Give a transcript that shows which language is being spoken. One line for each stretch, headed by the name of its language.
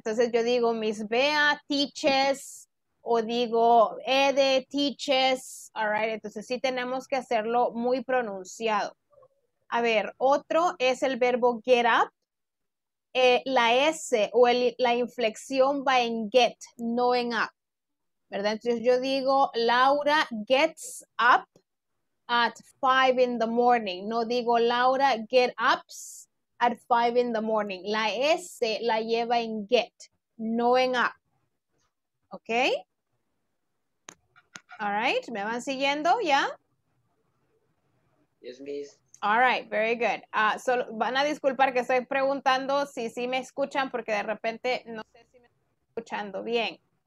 Spanish: Entonces, yo digo,
English: Miss Bea teaches,
Spanish: o digo,
English: Ede teaches, all right?
Spanish: Entonces, sí tenemos que hacerlo muy pronunciado. A ver, otro es el verbo get up. La S o la inflexión va en get, no en up, ¿verdad? Entonces yo digo,
English: Laura gets up at 5 in the morning.
Spanish: No digo,
English: Laura get ups at 5 in the morning.
Spanish: La S la lleva en get, no en up. ¿Ok?
English: All right,
Spanish: ¿me van siguiendo ya?
English: Yeah? Yes, miss. All right, very good. So,
Spanish: van a disculpar que estoy preguntando si sí me escuchan porque de repente no sé si me estoy escuchando bien.